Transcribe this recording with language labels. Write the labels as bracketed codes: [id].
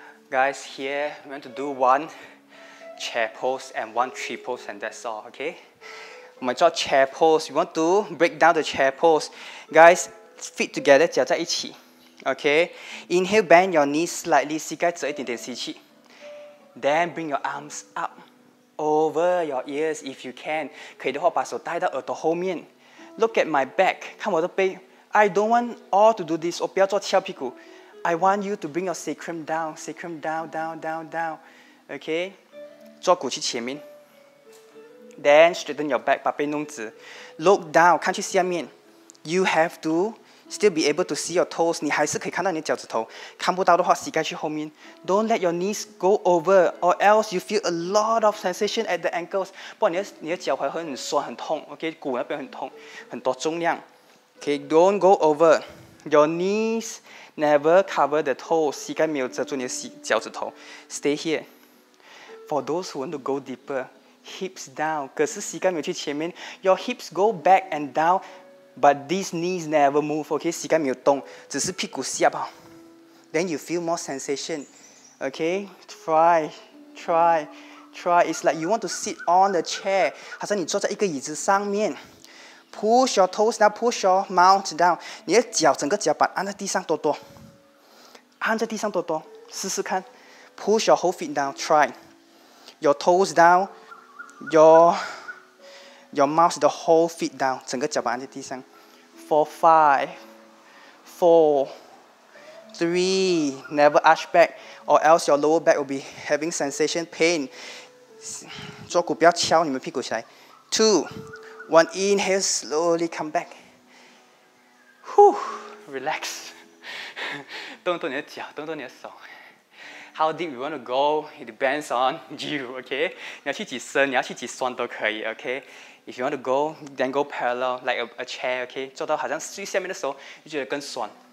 [en] Guys, here we want to do one chair pose and one tree pose, and that's all, okay? We want to do chair pose. We want to break down the chair pose. Guys, feet together, [zh] 脚在一起, [en] okay? Inhale, bend your knees slightly, [zh] 膝盖折一点点吸气. [en] Then bring your arms up over your ears if you can. [zh] 可以的话把手带到耳朵后面. [en] Look at my back, [zh] 看我的背. [en] I don't want all to do this, [zh] 我不要做翘屁股. [en] I want you to bring your sacrum down, down, down, down. Okay? [zh] 坐骨去前面. [en] Then straighten your back, [zh] 把背弄直. [en] Look down, [zh] 看去下面. [en] You have to still be able to see your toes. [zh] 你还是可以看到你的脚趾头.看不到的话膝盖去后面. [en] Don't let your knees go over, or else you feel a lot of sensation at the ankles. [zh] 不然你的脚踝会很酸很痛, okay? 骨那边很痛, 很多重量. [en] Okay, don't go over. Your kneesNever cover the toes. [zh] 膝盖没有遮住你的脚趾头. [en] Stay here. For those who want to go deeper, hips down. [zh] 可是膝盖没有去前面. [en] Your hips go back and down, but these knees never move. Okay, [zh] 膝盖没有动，只是屁股下吧。 [en] Then you feel more sensation. Okay, try, try, try. It's like you want to sit on the chair. [zh] 好像你坐在一个椅子上面。 [en] Push your toes down, push your mount down. [zh] 你的脚整个脚板按在地上多多，按在地上多多，试试看。 [en] Push your whole feet down, try. Your toes down, your mount the whole feet down. [zh] 整个脚板按在地上。 [en] For five, four, three. Never arch back, or else your lower back will be having sensation pain. [zh] 坐骨不要敲你们屁股起来。 [en] Two. One inhale, slowly come back. Whew, relax. [zh] 动动你的脚，动动你的手。 [en] How deep you want to go, it depends on you, okay? [zh] 你要去几深，你要去几酸都可以, okay? [en] If you want to go, then go parallel, like a chair, okay? [zh] 坐到好像最下面的时候，你觉得更酸。